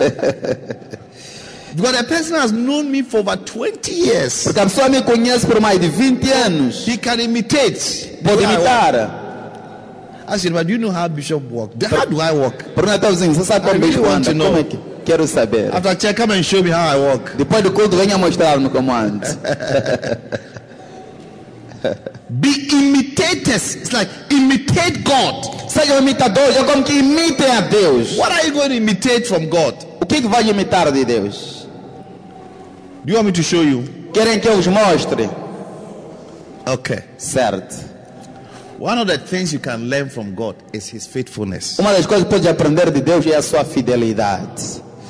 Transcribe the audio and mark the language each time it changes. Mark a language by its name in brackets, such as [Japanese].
[English] Because a person has known me for over 20 years. [Portuguese] Porque a pessoa me conhece por mais de 20 anos. [English] He can imitate. [Portuguese] Pode imitar. [English] I said, but do you know how Bishop walks? How do I walk? [Portuguese] Por uma tal zinho, você sabe como Bishop anda? Como é que? Quero saber. [English] After church, come and show me how I walk. [Portuguese] Depois do culto, venha mostrar-me como ando. [English] Be imitators. It's like imitate God. [Portuguese] Seja um imitador. Eu como que imite a Deus. [English] What are you going to imitate from God? [Portuguese] O que vai imitar de Deus? [English] Do you want me to show you? [Portuguese] Querem que eu os mostre? [English] Okay. [Portuguese] Certo. [English] One of the things you can learn from God is His faithfulness. [Portuguese] Uma das coisas que pode aprender de Deus é a sua fidelidade.